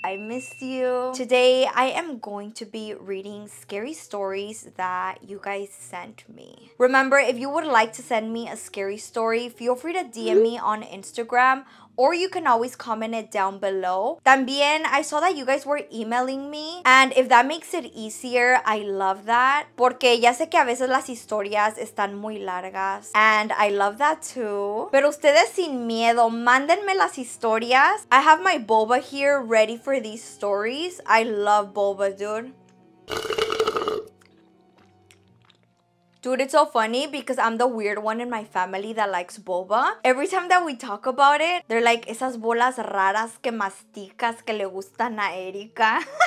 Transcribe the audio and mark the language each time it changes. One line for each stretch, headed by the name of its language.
English: I miss you. Today, I am going to be reading scary stories that you guys sent me. Remember, if you would like to send me a scary story, feel free to DM me on Instagram, or you can always comment it down below. También, I saw that you guys were emailing me. And if that makes it easier, I love that.
Spanish: Porque ya sé que a veces las historias están muy largas.
English: And I love that too.
Spanish: Pero ustedes sin miedo, mándenme las historias.
English: I have my boba here ready for these stories. I love boba, dude. Dude, it's so funny because I'm the weird one in my family that likes boba. Every time that we talk about it, they're like,
Spanish: esas bolas raras que masticas que le gustan a Erika.